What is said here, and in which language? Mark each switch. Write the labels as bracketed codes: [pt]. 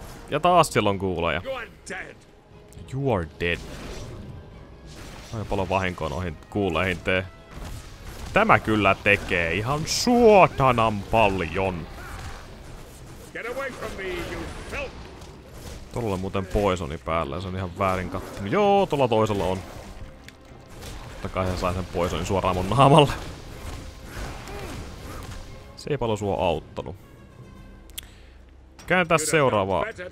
[fi] Ja taas siellä on kuuloja. [en] You are dead. [fi] Aika paljon vahinkoa noihin kuuleihin tee. Tämä kyllä tekee ihan suotanan paljon. [en] Get away from me, you filth. [fi] Tuolla on muuten poisoni päällä ja se on ihan väärin kattunut. Joo, tuolla toisella on. Totta kai hän sai sen poisonin suoraan mun naamalle. Se ei paljon sua auttanut. Käännetä seuraavaa.